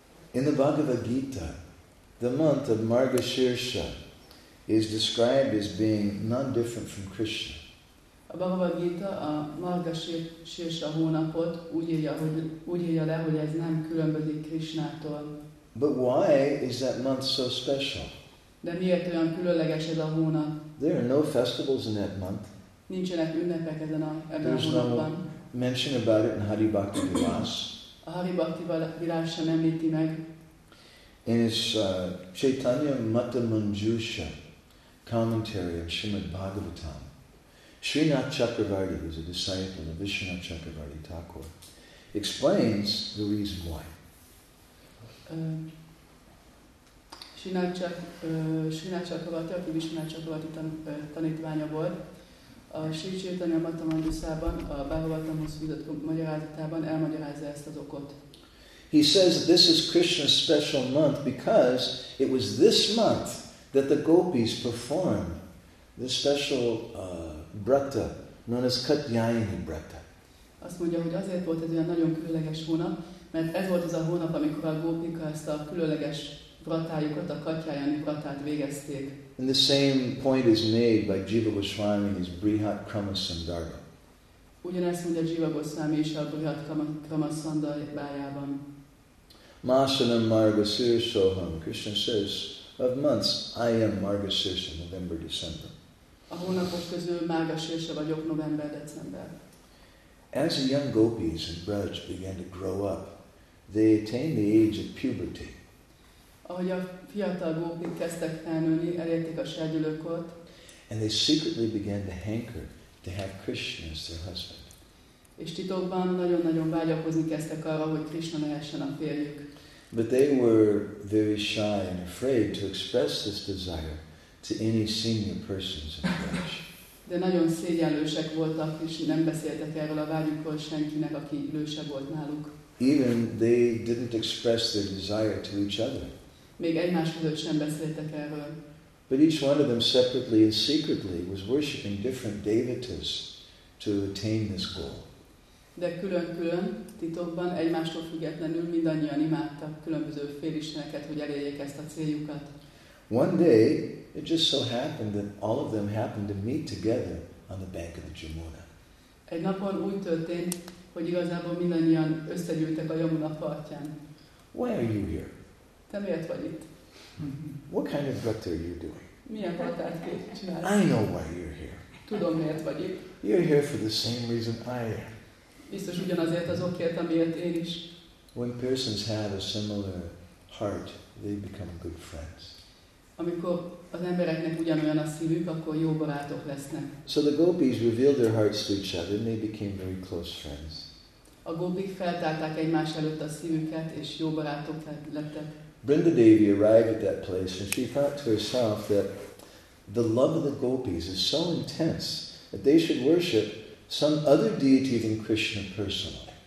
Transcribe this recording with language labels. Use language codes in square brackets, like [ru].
[en] In the Bhagavad Gita, the month of Margashirsha is described as being none different from Krishna. [hu] A Bhagavad Gita a Margashirsha hónapot úgy írja le, hogy ez nem különbözik Krishnától. [en] But why is that month so special? [hu] De miért olyan különleges ez a hónap? [en] There are no festivals in that month. [hu] Nincsenek ünnepek ezen a hónapban. [en] There's no mention about it in Hari Bhakti Vilas. [hu] A Hari Bhakti Vilas sem említi meg. [en] In his Chaitanya Mata Manjusha commentary on Srimad Bhagavatam, Srinath Chakravarti, who is a disciple of Vishwanath Chakravarti Thakur, explains the reason why. [hu] Srinath Chakravarti, aki Vishwanath Chakravarti tanítványa volt, a Sri Chaitanya Mata Manjusában, a Bhagavatamhoz fűzött magyarázatában elmagyarázza ezt az okot. [en] He says this is Krishna's special month because it was this month that the gopis performed this special brata known as Katyayani brata. [hu] Azt mondja, hogy azért volt ez olyan nagyon különleges hónap, mert ez volt az a hónap, amikor a gópika ezt a különleges bratájukat, a Katyayani bratát végezték. [en] And the same point is made by Jiva Goswami in his Brihat Krama Sandarbha. [hu] Ugyanezt mondja Jiva Goswami is a Brihat Krama Sandarbhájában. [sa] Masanam Margashirshoham. [en] Krishna says, of months, I am Margashirsha, November, December. [hu] A hónapok közül Margashirsha vagyok, November, December. [en] As the young gopis and braj began to grow up, they attained the age of puberty. [hu] Ahogy a fiatal gópik kezdtek felnőni, elérték a serdülőkort. [en] And they secretly began to hanker to have Krishna as their husband. [hu] És titokban nagyon-nagyon vágyakozni kezdtek arra, hogy Krishna lehessen a férjük. [en] But they were very shy and afraid to express this desire to any senior persons in the village. [hu] De nagyon szégyenlősek voltak, és nem beszéltek erről a vágyukról senkinek, aki lőse volt náluk. [en] Even they didn't express their desire to each other. [hu] Még egymás között sem beszéltek erről. [en] But each one of them separately and secretly was worshipping different devatas to attain this goal. [hu] De külön-külön, titokban, egymástól függetlenül mindannyian imádtak különböző félisteneket, hogy elérjék ezt a céljukat. [en] One day, it just so happened that all of them happened to meet together on the bank of the Jamuna. [hu] Egy napon úgy történt, hogy igazából mindannyian összegyűltek a Jamuna partján. [en] Why are you here? [hu] Te miért vagy itt? [en] What kind of brata are you doing? [hu] Milyen bratát csinálsz? [en] I know why you're here. [hu] Tudom, miért vagy itt. [en] You're here for the same reason I am. [hu] Biztos ugyanazért az okért, amiért én is. [en] When persons have a similar heart, they become good friends. [hu] Amikor az embereknek ugyanolyan a szívük, akkor jó barátok lesznek. [en] So the gopis revealed their hearts to each other, and they became very close friends. [hu] A gopik feltárták egymás előtt a szívüket, és jó barátok lettek. [en] Brindadevi arrived at that place, and she thought to herself that the love of the gopis is so intense that they should worship some other deity than Krishna personally.